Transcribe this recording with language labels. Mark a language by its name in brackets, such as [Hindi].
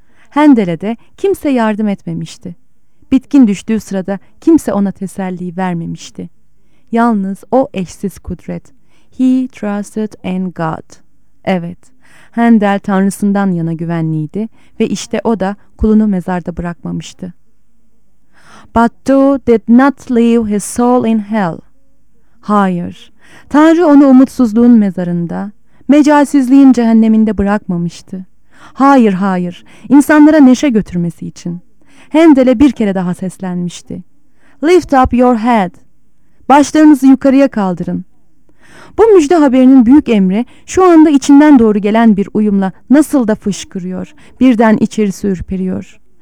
[Turkish] Hendel'e de kimse yardım etmemişti. Bitkin düştüğü sırada kimse ona teselli vermemişti. Yalnız o eşsiz kudret. [English] He trusted in God. [Turkish] Evet, Hendel tanrısından yana güvenliydi ve işte o da kulunu mezarda bırakmamıştı. [English] But thou did not leave his soul in hell. [Turkish] Hayır, Tanrı onu umutsuzluğun mezarında, mecalsizliğin cehenneminde bırakmamıştı. Hayır, hayır, insanlara neşe götürmesi için. Hendel'e bir kere daha seslenmişti. [English] Lift up your head. [Turkish] Başlarınızı yukarıya kaldırın. Bu müjde haberinin büyük emri şu anda içinden doğru gelen bir uyumla nasıl da fışkırıyor, birden içerisi ürperiyor.